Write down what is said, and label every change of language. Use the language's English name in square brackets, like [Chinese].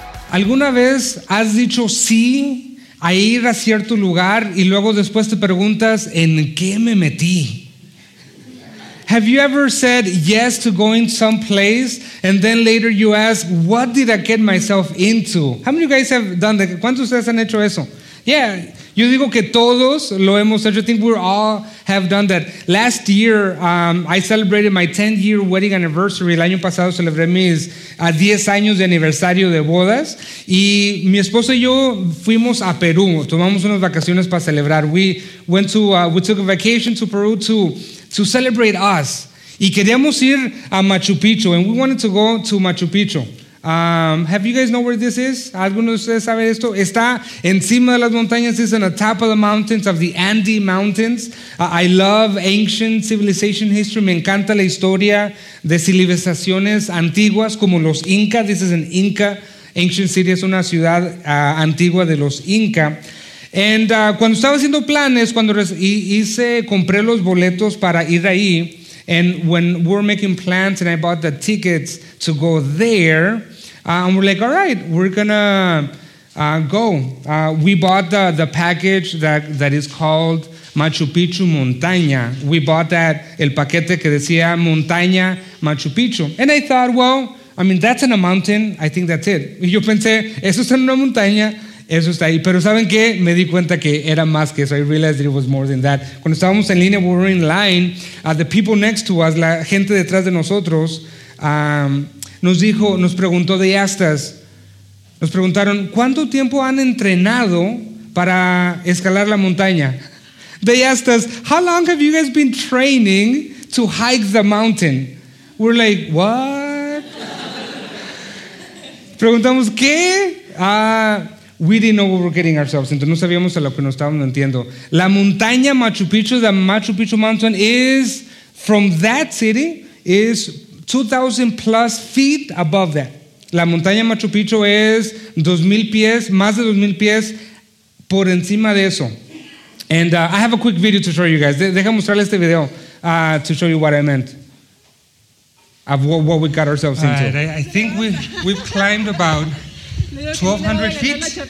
[Spanish] ¿Alguna vez has dicho sí a ir a cierto lugar y luego después te preguntas en qué me metí? [English] Have you ever said yes to going someplace and then later you ask, what did I get myself into? How many of you guys have done that? [Spanish] ¿Cuántos de ustedes han hecho eso? [English] Yeah, [Spanish] yo digo que todos lo hemos hecho. [English] I think we all have done that. Last year, I celebrated my 10-year wedding anniversary. [Spanish] El año pasado celebré mis 10 años de aniversario de bodas. Y mi esposo y yo fuimos a Perú. Tomamos unas vacaciones para celebrar. [English] We took a vacation to Peru to celebrate us. [Spanish] Y queríamos ir a Machu Picchu. [English] And we wanted to go to Machu Picchu. Have you guys know where this is? [Spanish] ¿Alguno de ustedes sabe esto? Está encima de las montañas. [English] It's on the top of the mountains, of the Andes Mountains. I love ancient civilization history. [Spanish] Me encanta la historia de civilizaciones antiguas como los Inca. [English] This is an Inca ancient city. [Spanish] Es una ciudad antigua de los Inca. And cuando estaba haciendo planes, cuando compré los boletos para ir ahí. [English] And when we're making plans and I bought the tickets to go there, and we're like, all right, we're going to go. We bought the package that is called Machu Picchu Montaña. We bought that, [Spanish] el paquete que decía Montaña Machu Picchu. [English] And I thought, well, I mean, that's in a mountain. I think that's it. [Spanish] Y yo pensé, eso está en una montaña. Eso está ahí. Pero ¿saben qué? Me di cuenta que era más que eso. [English] I realized that it was more than that. [Spanish] Cuando estábamos en línea, [English] we were in line, the people next to us, [Spanish] la gente detrás de nosotros, nos preguntaron, ¿cuánto tiempo han entrenado para escalar la montaña? [English] They asked us, how long have you guys been training to hike the mountain? We're like, what? [Spanish] Preguntamos, ¿qué? [English] We didn't know what we were getting ourselves into. [Spanish] No sabíamos a lo que nos estábamos metiendo. La montaña Machu Picchu, [English] the Machu Picchu Mountain, is from that city, is 2,000 plus feet above that. [Spanish] La montaña Machu Picchu es 2,000 pies, más de 2,000 pies por encima de eso. [English] And I have a quick video to show you guys. [Spanish] Deja mostrarles este video [English] to show you what I meant. Of what we got ourselves into. All right, I think we've climbed about 1,200 feet.